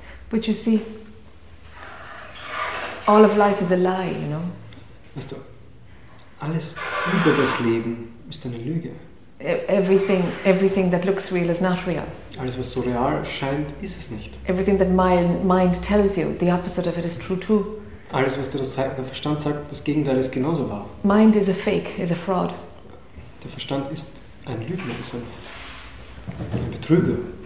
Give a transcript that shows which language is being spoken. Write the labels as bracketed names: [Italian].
[English] But you see, all of life is a lie, you know? [German] Weißt du, alles über das Leben ist eine Lüge. [English] Everything that looks real is not real. [German] Alles, was so real scheint, ist es nicht. [English] Everything that my mind tells you, the opposite of it is true too. [German] Alles, was der Verstand sagt, das Gegenteil ist genauso wahr. [English] Mind is a fake, is a fraud. [German] Der Verstand ist ein Lügner, ist ein Betrüger.